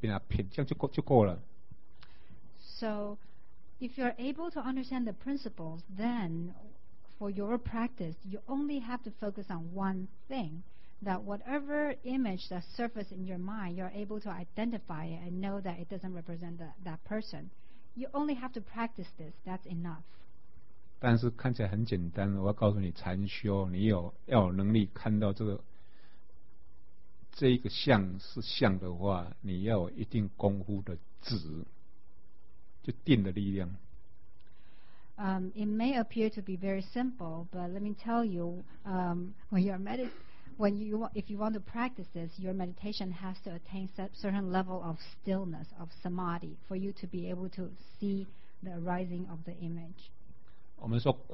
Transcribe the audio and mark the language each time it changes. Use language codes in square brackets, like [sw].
[zh] 那接下来这个道理懂了以后，你在日常生活当中，你就练一个功夫，就练头浮起来，你有能力看到它，就是练，就是一个相而已，啊，没有被它骗，这样就够了。 [en] So if you're able to understand the principles, then for your practice, you only have to focus on one thing, that whatever image that surfaces in your mind, you're able to identify it and know that it doesn't represent that person. You only have to practice this. That's enough. [zh] 但是看起来很简单，我要告诉你，禅修你有要有能力看到这个像是像的话，你要有一定功夫的止，就定的力量。 [en] It may appear to be very simple, but let me tell you, if you want to practice this, your meditation has to attain certain level of stillness, of samadhi, for you to be able to see the arising of the image.